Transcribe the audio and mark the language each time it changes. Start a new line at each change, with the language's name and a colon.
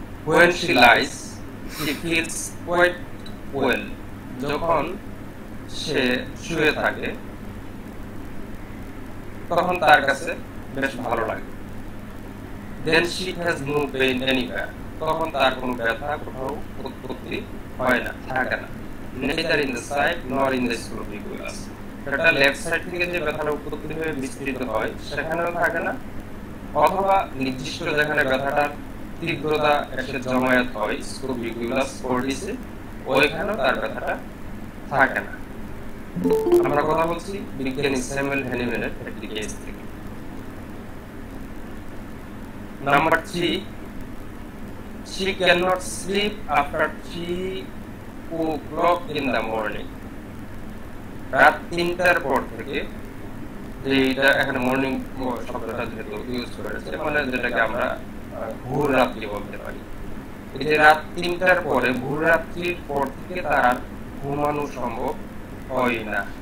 English: When she lies, she feels quite well.
Bangla: যখন সে শুয়ে থাকে তখন তার কাছে বেশ ভালো লাগে।
English: Then she has no pain anywhere.
Bangla: তখন তার কোনো ব্যথা কোথাও উৎপত্তি হয় না, থাকে না।
English: Neither in the side nor in the scrotum gyrus.
Bangla: এটা left side থেকে যে ব্যথাটা উৎপত্তি হয়ে বিস্তৃত হয় সেখানেও থাকে না, অথবা নির্দিষ্ট যেখানে ব্যথাটার তীব্রতা এসে জমায়েত হয় স্ক্রুবি গুলাস ফোর্ডিসে ওইখানেও তার ব্যথাটা থাকে না। আমরা কথা বলছি বিজ্ঞানী স্যামুয়েল হ্যানিম্যানের একটি কেস থেকে।
English: Number three, she cannot sleep after 3 o'clock in the morning.
Bangla: রাত তিনটার পর থেকে যে এটা এখানে মর্নিং শব্দটা যেহেতু ইউজ করেছে মানে যেটাকে আমরা ভোর রাত্রি বলতে পারি, এই যে রাত তিনটার পরে ভোর রাত্রির পর থেকে তার আর ঘুমানো সম্ভব হয় না।